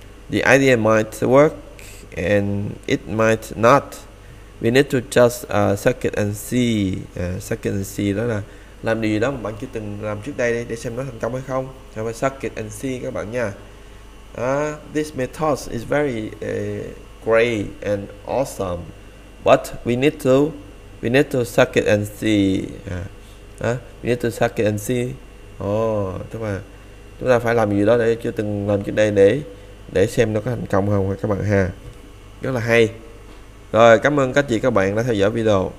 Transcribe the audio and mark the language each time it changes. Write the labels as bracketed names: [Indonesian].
[English] The idea might work and it might not. We need to just suck it and see. Suck it and see [Vietnamese] đó là làm điều gì đó mà bạn chưa từng làm trước đây đi để xem nó thành công hay không. Thì phải [English] suck it and see [Vietnamese] các bạn nha. [English] This method is very great and awesome. But we need to suck it and see. We need to suck it and see. [Vietnamese] Tức là chúng ta phải làm gì đó để chưa từng làm trước đây để xem nó có thành công không các bạn ha. Rất là hay. Rồi, cảm ơn các chị các bạn đã theo dõi video.